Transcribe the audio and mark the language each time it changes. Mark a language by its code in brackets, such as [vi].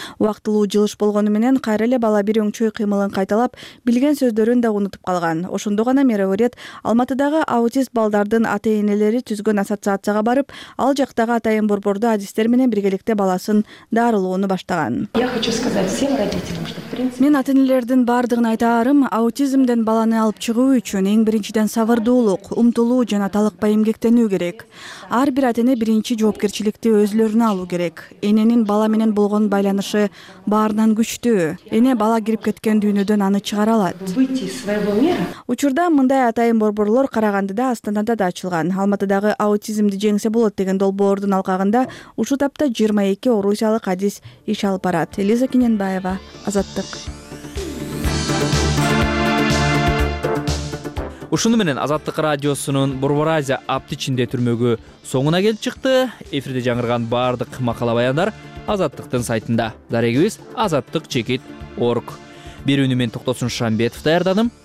[ky] Убактылуу жылыш болгону менен кайра эле бала бир өңчөй кыймылын кайталап, билген сөздөрүн да унутуп калган. Ошондо гана Мереурет Алматыдагы аутист балдардын ата-энелери түзгөн ассоциацияга барып, ал жактагы атайын борбордо адистер менен биргеликте баласын дарылоону баштаган. [ru] Я хочу сказать всем родителям, что в принципе... [ky] Мен ата-энелердин бардыгына айтаарым, аутизмден баланы алып чыгуу үчүн эң биринчиден сабырдуулук, умтулуу жана талыкпай эмгектенүү керек. Ар бир ата-эне биринчи жоопкерчиликти өзлөрүнө алуу керек. Эненин бала менен болгон байланышы баарынан күчтүү. Эне бала кирип кеткен дүйнөдөн аны чыгара алат. Учурда мындай атайын борборлор Карагандыда, Астанада да ачылган. Алматыдагы аутизмди жеңсе болот деген долбоордун алкагында ушул тапта 22 орусиялык адис иш алып барат. Элиза Кененбаева, Азаттык. Ушуну менен Азаттык радиосунун Борбор Азия апты ичинде түрмөгү соңуна келип чыкты. Эфирде жаңырган бардык макала баяндар Азаттыктын сайтында. Дарегибиз azattik.org. Бир үнү мен Токтосун Шамбетов даярдадым.